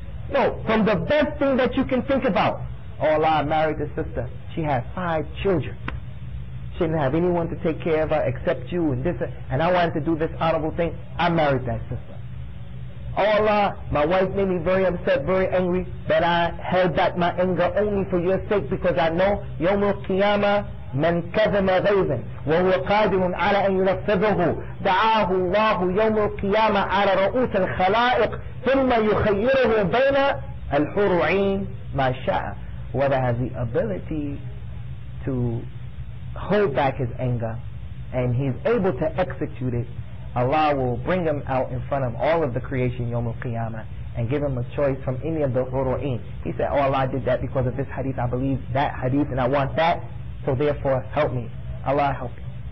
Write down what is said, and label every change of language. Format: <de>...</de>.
<en>No, from the best thing that you can think about. Oh Allah, I married a sister. She had 5 children. She didn't have anyone to take care of her except you and this. And I wanted to do this honorable thing. I married that sister. Oh Allah, my wife made me very upset, very angry. But I held back my anger only for your sake because I know</en> <ar>يَوْمُ الْقِيَامَةِ مَنْ كَذَمَ غَيْظًا وَهُوَ قَادِرٌ عَلَىٰ أَنْ يُنَفِّذَهُ دَعَاهُ اللَّهُ يَوْمُ الْقِيَامَةِ عَلَىٰ رَؤُوسِ الْخَلَائِقِ ثُمَّ يُخَيِّرُهُ بَيْنَ الْحُرُ عَيْنِ مَا شَاءَ.</ar> <en>Whether has the ability to hold back his anger and he's able to execute it, Allah will bring him out in front of all of the creation Yawm al-Qiyamah and give him a choice from any of the huru'in. He said, oh Allah, I did that because of this hadith. I believe that hadith and I want that, so therefore help me. Allah help you.</en>